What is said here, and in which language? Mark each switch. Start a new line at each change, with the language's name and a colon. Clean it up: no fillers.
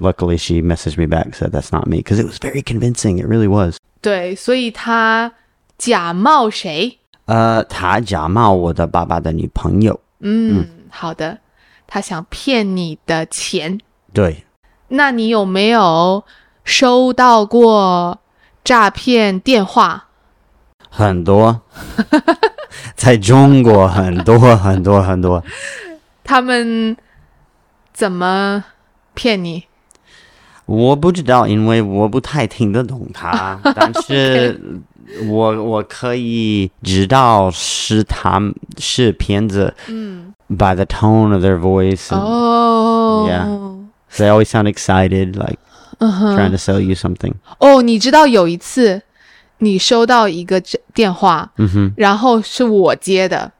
English: Luckily, she messaged me back, said that's not me, because it was very convincing, it really was.
Chinese: 对，所以他假冒谁？他假冒我的爸爸的女朋友。好的。他想骗你的钱。对。那你有没有收到过诈骗电话？很多。在中国很多很多很多。他们怎么骗你？我不知道，因为我不太听得懂他。但是我可以知道是他是骗子。
English: By the tone of their voice. And, yeah. So they always sound excited, like trying to sell you something.
Chinese: Oh, 你知道有一次你收到一个电话、然后是我接的。